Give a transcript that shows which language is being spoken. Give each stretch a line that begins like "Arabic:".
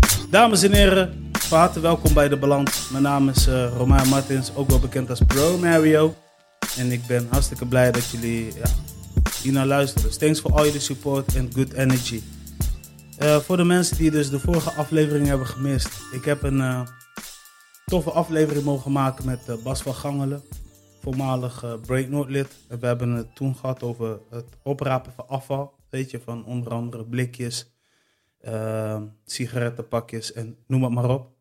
Dutch: Dames en heren, van harte welkom bij De Balans. Mijn naam is Romain Martins, ook wel bekend als Bro Mario. En ik ben hartstikke blij dat jullie hier naar luisteren.
English: Dus thanks for all your support and good energy.
Dutch: Voor de mensen die dus de vorige aflevering hebben gemist. Ik heb een toffe aflevering mogen maken met Bas van Gangelen. Voormalig Break North lid. En we hebben het toen gehad over het oprapen van afval. Weet je, van onder andere blikjes, sigarettenpakjes en noem het maar op.